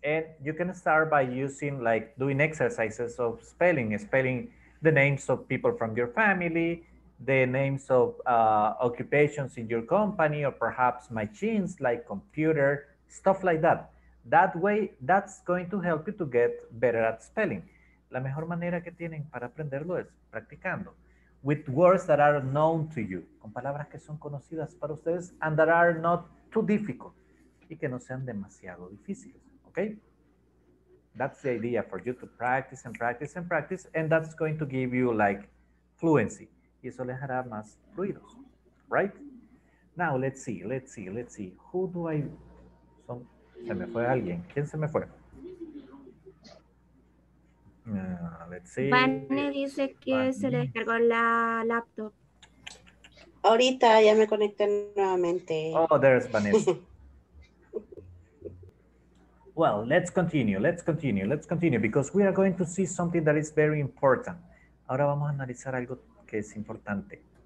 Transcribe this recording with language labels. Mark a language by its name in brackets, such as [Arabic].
[English] And you can start by using, like, doing exercises of spelling, spelling the names of people from your family, the names of occupations in your company, or perhaps machines like computer, stuff like that. That way, that's going to help you to get better at spelling. [Spanish] La mejor manera que tienen para aprenderlo es practicando. [English] With words that are known to you. [Spanish] Con palabras que son conocidas para ustedes [English] and that are not too difficult. [Spanish] Y que no sean demasiado difíciles. Okay? [English] That's the idea for you to practice and practice and practice. And that's going to give you like fluency. [Spanish] Y eso les hará más fluidos. [English] Right? Now, let's see, let's see, let's see. Who do I... [Spanish] Se me fue alguien. ¿Quién se me fue? [English] Let's see. [Spanish] Vane dice que Vane. Se le descargó la laptop. Ahorita ya me conecté nuevamente. [English] Oh, there's Vanessa. Well, let's continue. Let's continue. Let's continue. Because we are going to see something that is very important. [Spanish] Ahora vamos a analizar algo que es importante.